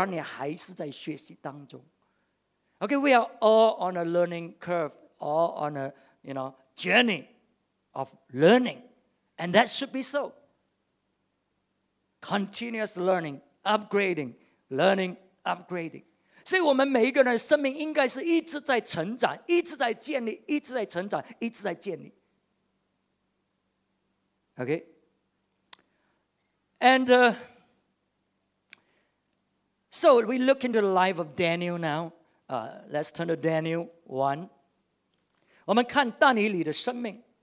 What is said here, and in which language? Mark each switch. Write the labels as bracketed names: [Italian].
[Chinese] 硬行呢，而且硬行到你可以去教导别人的时候，那个时候你才是真正的学到了，不然你还是在学习当中。 [English] Okay, we are all on a learning curve, all on a, you know, journey of learning, and that should be so. Continuous learning, upgrading, learning, upgrading. [Chinese] 所以我们每一个人的生命应该是一直在成长，一直在建立，一直在成长，一直在建立。 [English] Okay? And so we look into the life of Daniel now. Let's turn to Daniel 1. [Chinese] 我们看但以理的生命。